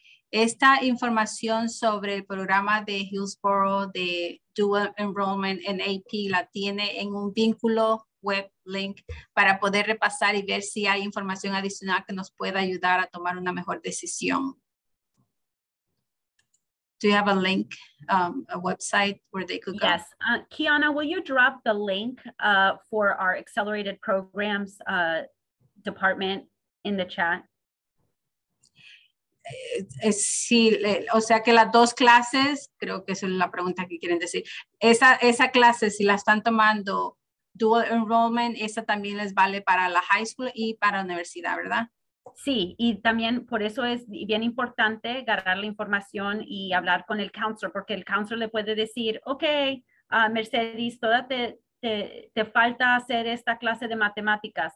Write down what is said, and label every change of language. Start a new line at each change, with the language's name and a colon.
Spanish: Esta información sobre el programa de Hillsborough de Dual Enrollment en AP la tiene en un vínculo web link para poder repasar y ver si hay información adicional que nos pueda ayudar a tomar una mejor decisión.
English: Do you have a link, a website where they could go? Yes. Kiana, will you drop the link for our accelerated programs department in the chat?
Spanish: Sí, o sea que las dos clases, creo que esa es la pregunta que quieren decir. Esa clase, si la están tomando dual enrollment, esa también les vale para la high school y para la universidad, ¿verdad? Sí, y también por eso es bien importante agarrar la información y hablar con el counselor, porque el counselor le puede decir, ok, Mercedes, todavía te falta hacer esta clase de matemáticas.